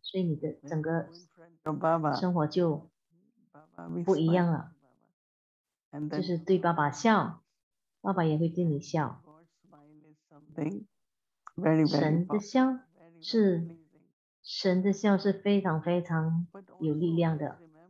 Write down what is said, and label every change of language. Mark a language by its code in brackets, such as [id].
[zh] 所以你的整个生活就不一样了。 [en] And then, [zh] 就是对爸爸笑, 爸爸也会对你笑。 [en] God's smile is something very, very powerful. [zh] 神的笑是, 神的笑是非常非常有力量的。